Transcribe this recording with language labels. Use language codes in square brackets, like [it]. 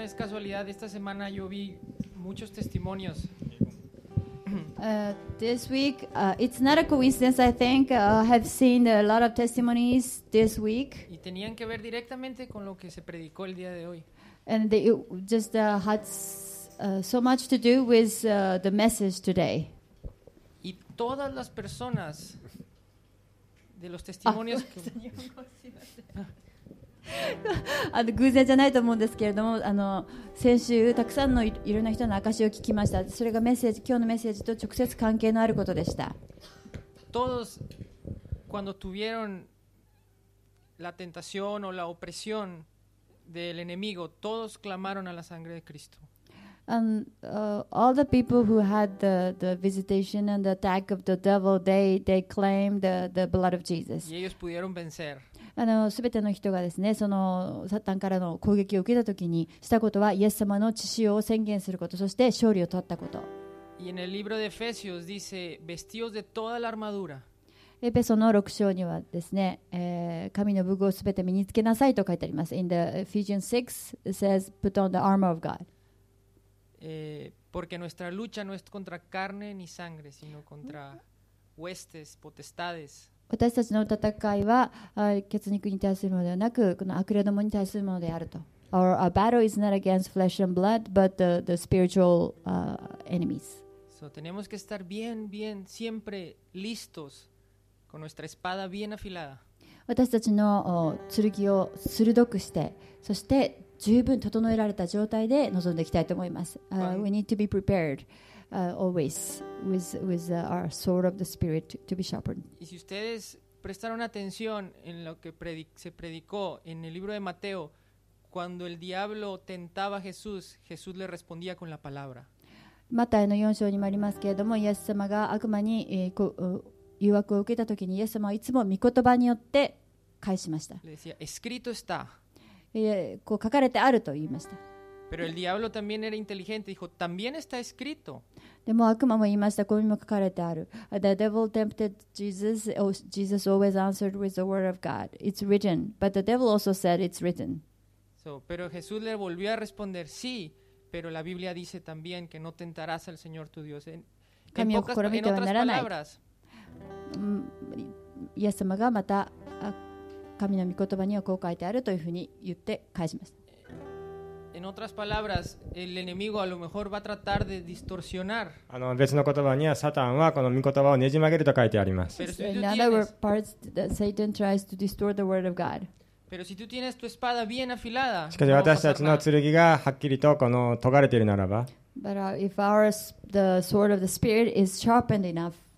[es] no es casualidad, esta semana yo vi muchos testimonios. [en] This week, it's not a coincidence, I think. I have seen a lot of testimonies this week. [es] Y tenían que ver directamente con lo que se predicó el día de hoy. [en] And they just had so much to do with the message today. [es] Y todas las personas de los testimonios que... [ja] あの偶然じゃないと思うんですけれども、あの先週たくさんの いろんな人の証を聞きました。それがメッセージ、今日のメッセージと直接関係のあることでした。 [es] Todos cuando tuvieron la tentación o la opresión del enemigo, todos clamaron a la sangre de Cristo. [en] And, all the people who had the visitation and the attack of the devil, they claimed the blood of Jesus. [es] Y ellos pudieron vencer. [ja] あの全ての人がですね、そのサタンからの攻撃を受けたときにしたことはイエス様の血潮を宣言すること、そして勝利を取ったこと。 [es] Y en el libro de Efesios dice, vestidos de toda la armadura. [ja] エペソの6章にはですね、神の武具を全て身につけなさいと書いてあります。 [en] In the Ephesians 6 it says, put on the armor of God. [es] Porque nuestra lucha no es contra carne ni sangre, sino contra huestes, potestades. [ja] 私たちの戦いは血肉に対するものではなく、この悪霊どもに対するものであると。 [en] Our battle is not against flesh and blood, but the spiritual enemies. [es] So, tenemos que estar bien, bien, siempre listos, con nuestra espada bien afilada. [ja] 私たちの剣を鋭くして、そして十分整えられた状態で臨んでいきたいと思います。 [en] We need to be prepared. Always with our sword of the spirit to be sharpened. [es] Y si ustedes prestaron atención en lo que se predicó en el libro de Mateo, cuando el diablo tentaba a Jesús, Jesús le respondía con la palabra. [ja] マタイの4章にもありますけれども、イエス様が悪魔に誘惑を受けた時に、イエス様はいつも御言葉によって返しました。 [es] Le decía, escrito está. [ja] こう書かれてあると言いました。 [es] Pero el diablo también era inteligente. Dijo, también está escrito. [ja] でも悪魔も言いました。こうにも書かれてある。 [en] The devil tempted Jesus. Jesus always answered with the word of God. It's written. But the devil also said it's written. [es] So, pero Jesús le volvió a responder, sí, pero la Biblia dice también que no tentarás al Señor tu Dios. En otras palabras, [ja] イエス様がまた神の御言葉にはこう書いてあるというふうに言って返しました。 [es] En otras palabras, el enemigo a lo mejor va a tratar de distorsionar. [ja] あの別の言葉にはサタンはこの御言葉をねじ曲げると書いてあります。 [en] In other parts, Satan tries to distort the word of God. [es] Pero si tú tienes tu espada bien afilada, [ja] しかし私たちの剣がはっきりとこの尖れているならば、 [en] But if the sword of the spirit is sharpened enough,